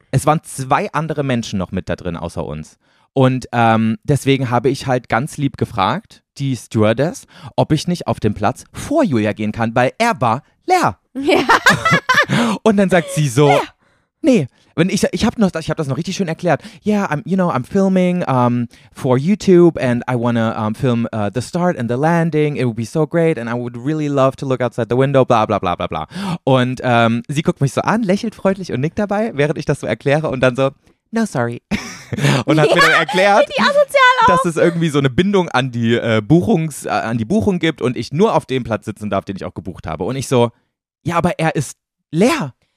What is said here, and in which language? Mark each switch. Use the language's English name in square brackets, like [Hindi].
[German] Es waren zwei andere Menschen noch mit da drin, außer uns. Und deswegen habe ich halt ganz lieb gefragt, die Stewardess, ob ich nicht auf den Platz vor Julia gehen kann, weil er war leer. Ja. Und dann sagt sie so, ja. Nee, wenn ich hab das noch richtig schön erklärt. [English] Yeah, I'm filming for YouTube and I wanna film the start and the landing. It would be so great and I would really love to look outside the window, bla bla bla bla bla. [German] Und sie guckt mich so an, lächelt freundlich und nickt dabei, während ich das so erkläre und dann so, [English] no, sorry. [German] Und hat ja, mir dann erklärt, die dass es irgendwie so eine Bindung an die Buchung gibt und ich nur auf dem Platz sitzen darf, den ich auch gebucht habe. Und ich so, ja, aber er ist leer.